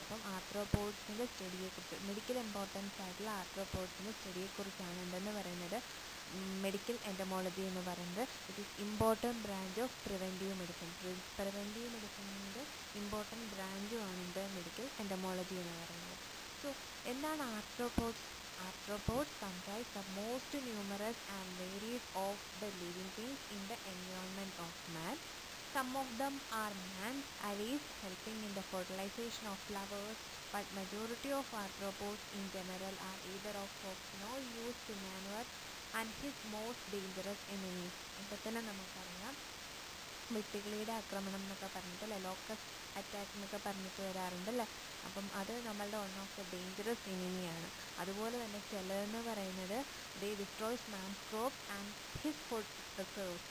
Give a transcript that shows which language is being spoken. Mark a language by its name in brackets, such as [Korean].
[Malayalam] അപ്പം ആർത്രോപോഡ്സിൻ്റെ സ്റ്റഡിയെക്കുറിച്ച്, medical importance ആയിട്ടുള്ള ആർത്രോപോഡ്സിൻ്റെ സ്റ്റഡിയെക്കുറിച്ചാണ് എന്തെന്ന് പറയുന്നത്, മെഡിക്കൽ എൻഡമോളജി എന്ന് പറയുന്നത്. [English] It is important branch of preventive medicine. [Malayalam] Preventive മെഡിസിൻ്റെ important ബ്രാഞ്ചും ആണെന്ത് medical entomology എന്ന് പറയുന്നത്. സോ എന്താണ് arthropods? [English] Arthropods comprise the most numerous and varied of the living things in the environment of man. Some of them are man's allies, helping in the fertilization of flowers, but majority of arthropods in general are either of no use to man and his most dangerous enemies. [Malayalam] ഇപ്പത്തന്നെ നമുക്കറിയാം വെട്ടുകിളിയുടെ ആക്രമണം എന്നൊക്കെ പറഞ്ഞിട്ട് അല്ലേ, locust attack എന്നൊക്കെ പറഞ്ഞിട്ട് വരാറുണ്ട് അല്ലേ. അപ്പം അത് നമ്മളുടെ വൺ ഓഫ് ദ ഡേഞ്ചറസ് എനിമിയാണ്. അതുപോലെ തന്നെ ചിലതെന്ന് പറയുന്നത് [English] They destroys man's crop and his food reserves.